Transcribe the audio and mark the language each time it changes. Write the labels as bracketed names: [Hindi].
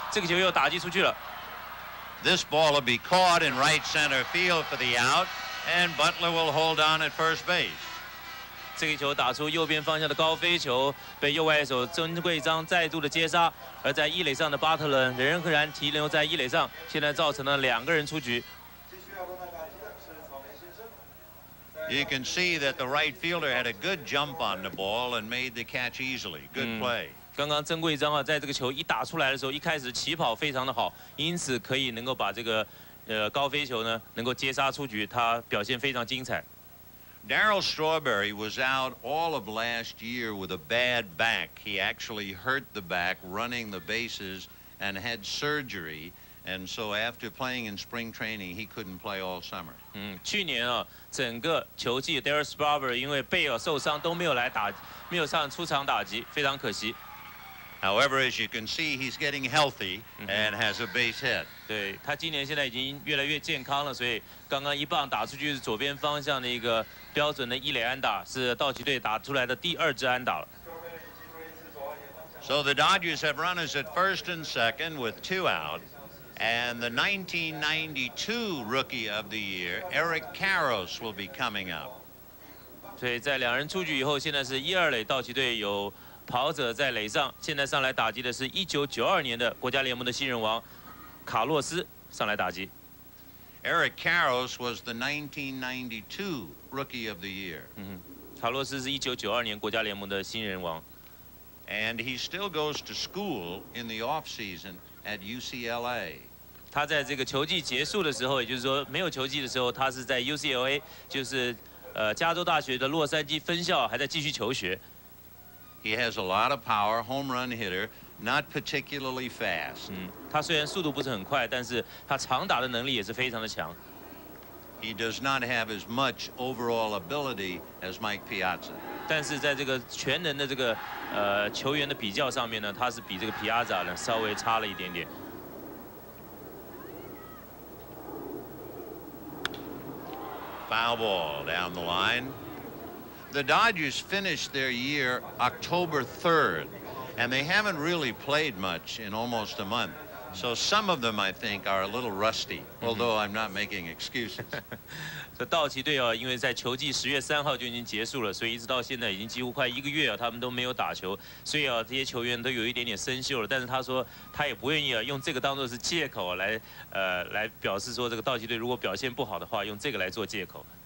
[Chinese] 这个球又打击出去了。 [English] This ball will be caught in right center field for the out, and Butler will hold on at first base. [Chinese] 这个球打出右边方向的高飞球，被右外手曾圭章再度的接杀。而在一垒上的巴特勒仍然停留在一垒上，现在造成了两个人出局。 [English] You can see that the right fielder had a good jump on the ball and made the catch easily. Good play. [Chinese] 刚刚曾圭章啊，在这个球一打出来的时候，一开始起跑非常的好，因此可以能够把这个高飞球呢能够接杀出局，他表现非常精彩。 [English] Darryl Strawberry was out all of last year with a bad back. He actually hurt the back running the bases and had surgery. And so after playing in spring training, he couldn't play all summer. [Chinese] 去年啊，整个球季 Darryl Strawberry 因为背啊受伤都没有来打，没有上出场打击，非常可惜。 [English] However, as you can see, he's getting healthy and has a base hit. [Chinese] 对他今年现在已经越来越健康了，所以刚刚一棒打出去是左边方向的一个标准的一垒安打，是道奇队打出来的第二支安打了。 [English] So the Dodgers have runners at first and second with two out, and the 1992 Rookie of the Year, Eric Karros, will be coming up. [Chinese] 所以在两人出局以后，现在是一二垒，道奇队有。跑者在垒上，现在上来打击的是1992年的国家联盟的新人王卡洛斯上来打击。 [English] Eric Karros was the 1992 Rookie of the Year. [Chinese] 卡洛斯是1992年国家联盟的新人王。 [English] And he still goes to school in the off season at UCLA. [Chinese] 他在这个球季结束的时候，也就是说没有球季的时候，他是在 UCLA， 就是加州大学的洛杉矶分校还在继续求学。 [English] He has a lot of power, home run hitter, not particularly fast. [Chinese] 他虽然速度不是很快，但是他长打的能力也是非常的强。 [English] He does not have as much overall ability as Mike Piazza. [Chinese] 但是在这个全能的这个球员的比较上面呢，他是比这个 Piazza 呢稍微差了一点点。 [English] Foul ball down the line. The Dodgers finished their year October 3rd, and they haven't really played much in almost a month. So some of them, I think, are a little rusty. Although I'm not making excuses. [Chinese] 这道奇队啊，因为在球季10月3号就已经结束了，所以一直到现在已经几乎快一个月啊，他们都没有打球，所以啊，这些球员都有一点点生锈了。但是他说他也不愿意啊，用这个当作是借口来表示说这个道奇队如果表现不好的话，用这个来做借口。